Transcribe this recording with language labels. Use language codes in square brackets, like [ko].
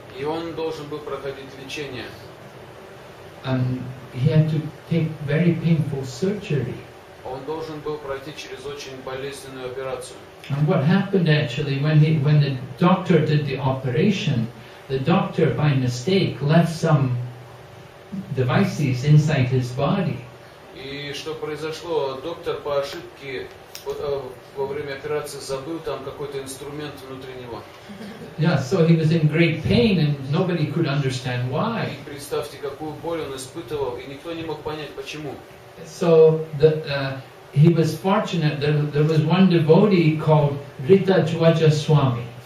[ru] И он должен был проходить лечение. [en] And he had to take very painful surgery. [ru] Он должен был пройти через очень болезненную операцию. [en] And what happened actually when the doctor did the operation, the doctor by mistake left some devices inside his body. [ru] И что произошло? Доктор по ошибке во время операции забыл там какой-то инструмент внутри него. [en] Yeah, so he was in great pain and nobody could understand why. [ru] И представьте, какую боль он испытывал, и никто не мог понять почему. [en] So the he was fortunate that there was one devotee called Rita Dwaja Swami.